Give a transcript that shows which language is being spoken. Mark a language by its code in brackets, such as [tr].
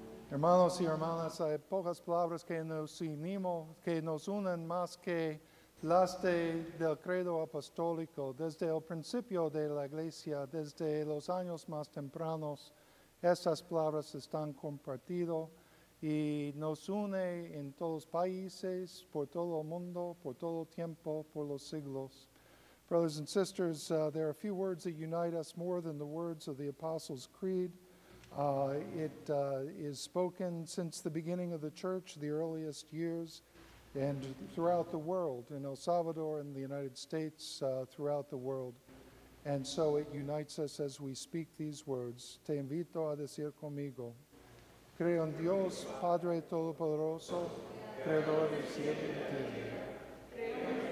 [es] Hermanos y hermanas, hay pocas palabras que nos unimos, que nos unen más que las del credo apostólico. Desde el principio de la Iglesia, desde los años más tempranos, estas palabras están compartidas y nos unen en todos los países, por todo el mundo, por todo el tiempo, por los siglos. [en] Brothers and sisters, there are a few words that unite us more than the words of the Apostles' Creed. It is spoken since the beginning of the church, the earliest years, and throughout the world, in El Salvador, in the United States, throughout the world. And so it unites us as we speak these words. [es] Te invito a decir conmigo. Creo en Dios, Padre Todopoderoso, creador del cielo y de la tierra.